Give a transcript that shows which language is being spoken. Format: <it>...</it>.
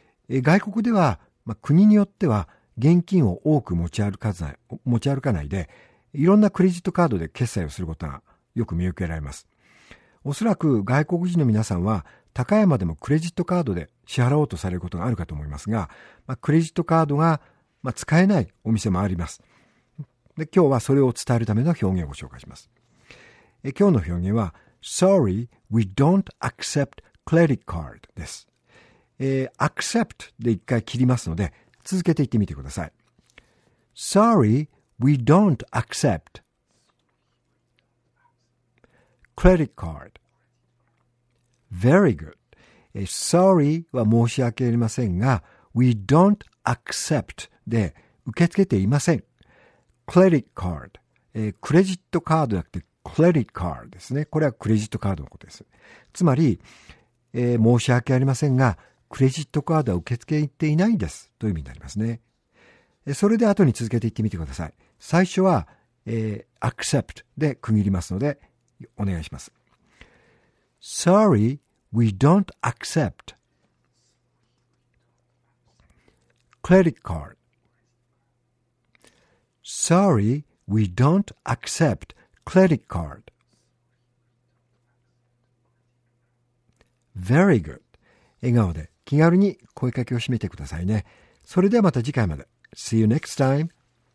<ja>外国では、国によっては現金を多く持ち歩かないで、いろんなクレジットカードで決済をすることがよく見受けられます。おそらく外国人の皆さんは高山でもクレジットカードで支払おうとされることがあるかと思いますが、クレジットカードが使えないお店もあります。で、今日はそれを伝えるための表現をご紹介します。今日の表現は</ja> <en>Sorry, we don't accept credit card</en> <ja>です。 Accept で一回切りますので続けて言ってみてください。</ja> <en>Sorry, we don't accept credit card. Very good.</en> <ja>Sorry は申し訳ありませんが、</ja> <en>we don't accept</en> <ja>で受け付けていません。</ja> <en>Credit card.</en> <ja>クレジットカードじゃなくて credit card ですね。これはクレジットカードのことです。つまり、申し訳ありませんが、クレジットカードは受け付けていないんですという意味になりますね。それで後に続けて言ってみてください。最初は、accept で区切りますので、お願いします。</ja> <en>Sorry, we don't accept credit card. Sorry, we don't accept credit card. Very good.</en> <ja>笑顔で気軽に声かけを締めてくださいね。それではまた次回まで。</ja> <en>See you next time.</en>